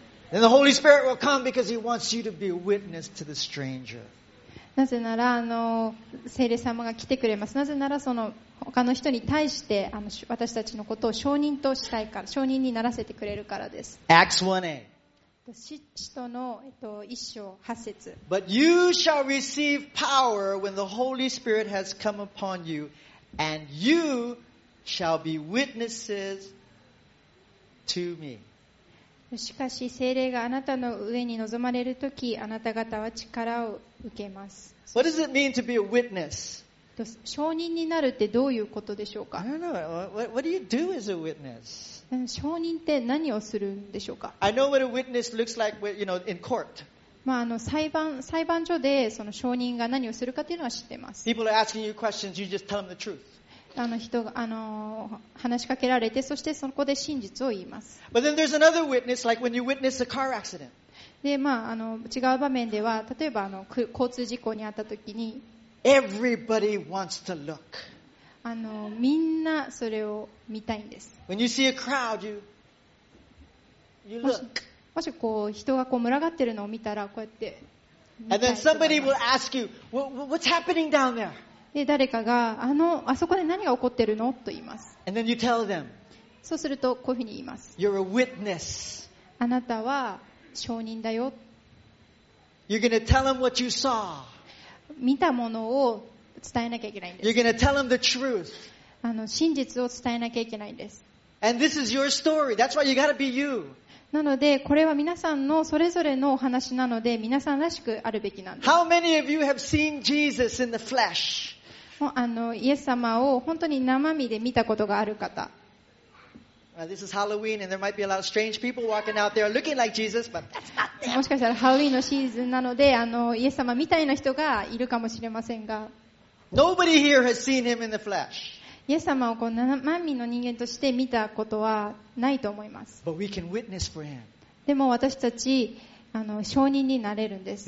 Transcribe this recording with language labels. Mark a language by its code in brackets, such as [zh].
[en] Then the Holy Spirit will come because He wants you to be a witness to the stranger. [ja] なぜなら聖霊様が来てくれます。なぜならその他の人に対して私たちのことを証人としたいから、証人にならせてくれるからです。 [en] Acts 1a. [ja] 使徒の一章八節。 [en] But you shall receive power when the Holy Spirit has come upon you, and you shall be witnesses to me. [ja] しかし聖霊があなたの上に臨まれるとき、あなた方は力を受けます。 [en] What does it mean to be a witness? [ja] 証人になるってどういうことでしょうか？ [en] I don't know. What do you do as a witness? [ja] 証人って何をするんでしょうか。 [en] I know what a witness looks like, you know, in court. [ja] 裁判所でその証人が何をするかというのは知っています。 [en] People are asking you questions, you just tell them the truth. [ja] 人が話しかけられて、そしてそこで真実を言います。 [en] But then there's another witness, like when you witness a car accident. [ja] で、違う場面では、例えば交通事故に遭った時に、 [en] Everybody wants to look. [ja] みんなそれを見たいんです。 [en] When you see a crowd, you look. [ja] もしこう人がこう群がってるのを見たら、こうやって見たいと思います。 [en] And then somebody will ask you, what's happening down there? [ja] で、誰かがあそこで何が起こってるのと言います。 [en] And then you tell them. [ja] そうするとこういうふうに言います。 [en] You're a witness. [ja] あなたは証人だよ。 [en] You're gonna tell them what you saw. [ja] 見たものを伝えなきゃいけないんです。 [en] You're gonna tell them the truth. [ja] 真実を伝えなきゃいけないんです。 [en] And this is your story. That's why you gotta be you. [ja] なのでこれは皆さんのそれぞれのお話なので、皆さんらしくあるべきなんです。 [en] How many of you have seen Jesus in the flesh? [ja] イエス様を本当に生身で見たことがある方。 [en] This is Halloween, and there might be a lot of strange people walking out there looking like Jesus, but that's not them. [ja] もしかしたらハロウィーンのシーズンなので、イエス様みたいな人がいるかもしれませんが。 [en] Nobody here has seen him in the flesh. [ja] イエス様をこう万民の人間として見たことはないと思います。 [en] But we can witness for him. [ja] でも私たち証人になれるんです。